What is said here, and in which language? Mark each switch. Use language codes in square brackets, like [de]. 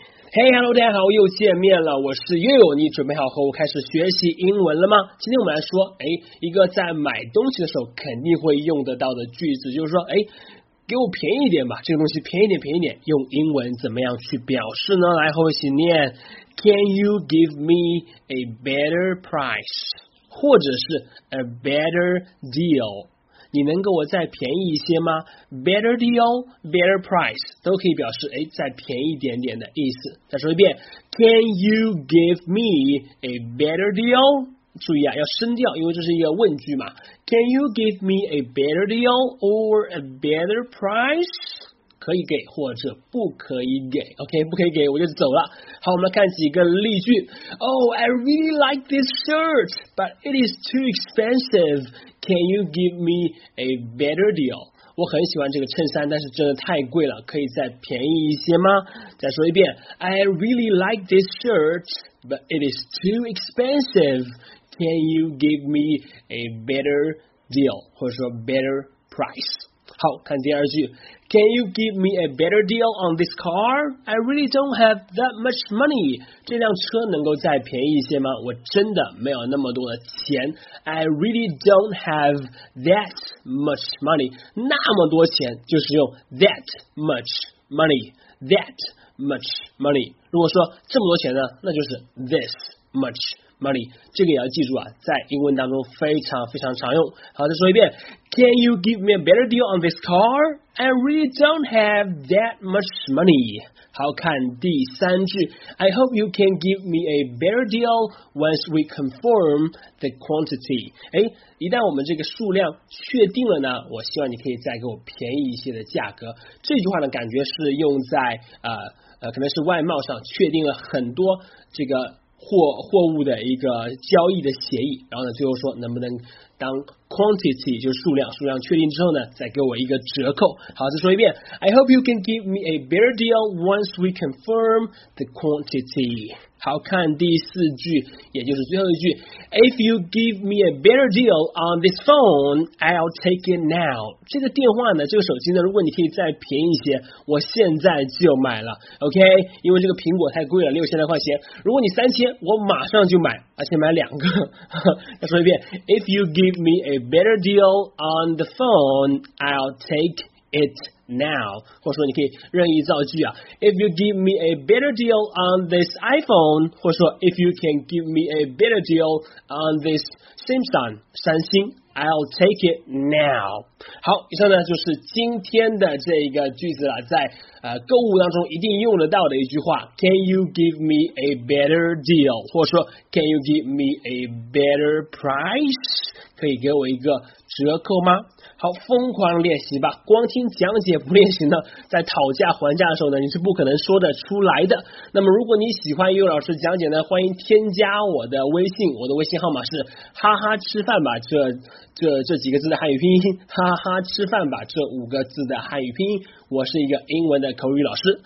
[en] Hey, hello, [zh] 大家好，又见面了，我是悠悠，你准备好和我开始学习英文了吗？今天我们来说，哎，一个在买东西的时候肯定会用得到的句子，就是说，哎，给我便宜一点吧，这个东西便宜一点，便宜一点，用英文怎么样去表示呢？来，和我一起念 [en] ，Can you give me a better price? [zh] 或者是 [en] a better deal? [zh] 你能给我再便宜一些吗 ？ [en] Better deal, better price [zh] 都可以表示哎，再便宜一点点的意思。再说一遍 [en] ，Can you give me a better deal？ [zh] 注意啊，要升调，因为这是一个问句嘛。 [en] Can you give me a better deal or a better price？ [zh] 可以给或者不可以给 ？OK， 不可以给我就走了。好，我们来看几个例句。 [en] Oh, I really like this shirt, but it is too expensive. Can you give me a better deal? [zh] 我很喜欢这个衬衫，但是真的太贵了，可以再便宜一些吗？再说一遍 [en] ，I really like this shirt, but it is too expensive. Can you give me a better deal? [zh] 或者说 [en] better price? [zh] 好，看第二句 [en] ，Can you give me a better deal on this car? I really don't have that much money. [zh] 这辆车能够再便宜一些吗？我真的没有那么多的钱。 [en] I really don't have that much money. [zh] 那么多钱就是用 [en] that much money, that much money. [zh] 如果说这么多钱呢，那就是 [en] this much money. [zh] 这个也要记住啊，在英文当中非常非常常用。好，再说一遍 [en] ，Can you give me a better deal on this car? I really don't have that much money. [zh] 好，看第三句 [en] I hope you can give me a better deal once we confirm the quantity. [zh] 哎，一旦我们这个数量确定了呢，我希望你可以再给我便宜一些的价格。这句话呢，感觉是用在可能是外贸上确定了很多这个货物的一个交易的协议，然后呢，最后说能不能当 quantity 就是数量确定之后呢，再给我一个折扣。好，再说一遍 [en] ，I hope you can give me a better deal once we confirm the quantity。 [zh] 好，看第四句，也就是最后一句 [en] ，If you give me a better deal on this phone, I'll take it now。 [zh] 这个电话呢，这个手机呢，如果你可以再便宜一些，我现在就买了 ，OK？因为这个苹果太贵了，6000来块钱。如果你3000，我马上就买，而且买两个。再说一遍 [en] ，If you give me a better deal on the phone, I'll take it now。 [zh] 或者说你可以任意造句啊 [en] ，If you give me a better deal on this iPhone， [zh] 或者说 [en] If you can give me a better deal on this Samsung 三星。 I'll take it now. [zh] 好，以上呢就是今天的这一个句子了，在购物当中一定用得到的一句话 ， [en] Can you give me a better deal？ [zh] 或者说 [en] ，Can you give me a better price？ [zh] 可以给我一个折扣吗？好，疯狂练习吧，光听讲解不练习呢，在讨价还价的时候呢，你是不可能说得出来的。那么，如果你喜欢悠悠老师讲解呢，欢迎添加我的微信，我的微信号码是哈哈吃饭吧这几个字的汉语拼音，哈哈吃饭吧这五个字的汉语拼音，我是一个英文的口语老师。